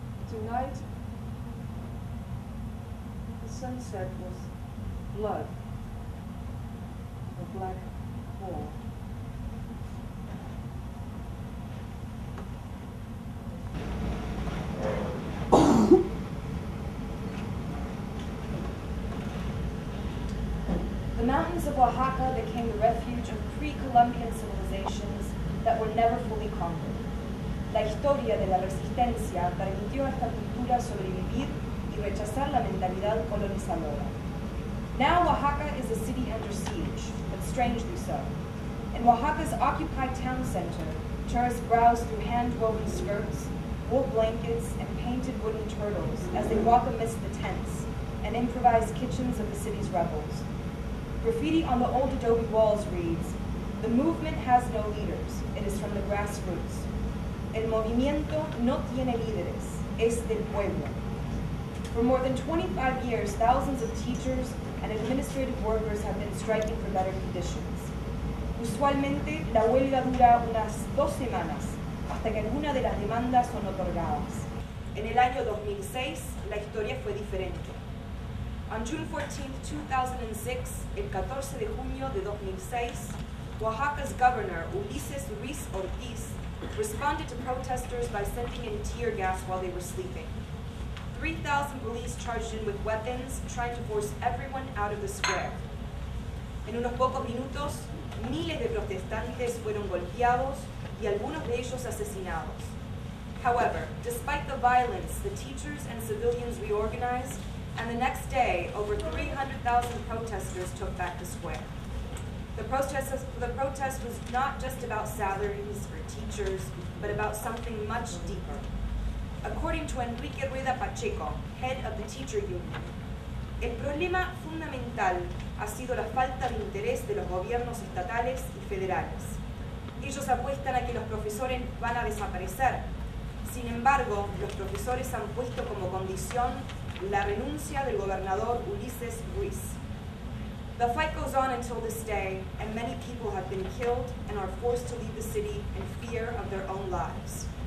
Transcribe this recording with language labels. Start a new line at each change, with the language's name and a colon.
English: Tonight, the sunset was blood, a black hole. The mountains of Oaxaca became the refuge of pre-Columbian civilizations that were never fully conquered.
Spanish: La historia de la resistencia permitió a esta cultura sobrevivir y rechazar la mentalidad colonizadora.
English: Now Oaxaca is a city under siege, but strangely so. In Oaxaca's occupied town center, tourists browse through hand-woven skirts, wool blankets, and painted wooden turtles as they walk amidst the tents and improvised kitchens of the city's rebels. Graffiti on the old adobe walls reads, "The movement has no leaders. It is from the grassroots."
Spanish: El movimiento no tiene líderes, es del pueblo.
English: For more than 25 years, thousands of teachers and administrative workers have been striking for better conditions.
Spanish: Usualmente, la huelga dura unas dos semanas hasta que alguna de las demandas son otorgadas. En el año 2006, la historia fue diferente.
English: On June 14, 2006,
Spanish: el 14 de junio de 2006,
English: Oaxaca's governor, Ulises Ruiz Ortiz, responded to protesters by sending in tear gas while they were sleeping. 3,000 police charged in with weapons, trying to force everyone out of the square.
Spanish: En unos pocos minutos, miles de protestantes fueron golpeados y algunos de ellos asesinados.
English: However, despite the violence, the teachers and civilians reorganized, and the next day, over 300,000 protesters took back the square. The protest was not just about salaries for teachers, but about something much deeper. According to Enrique Rueda Pacheco, head of the teacher union,
Spanish: el problema fundamental ha sido la falta de interés de los gobiernos estatales y federales. Ellos apuestan a que los profesores van a desaparecer. Sin embargo, los profesores han puesto como condición la renuncia del gobernador Ulises Ruiz.
English: The fight goes on until this day, and many people have been killed and are forced to leave the city in fear of their own lives.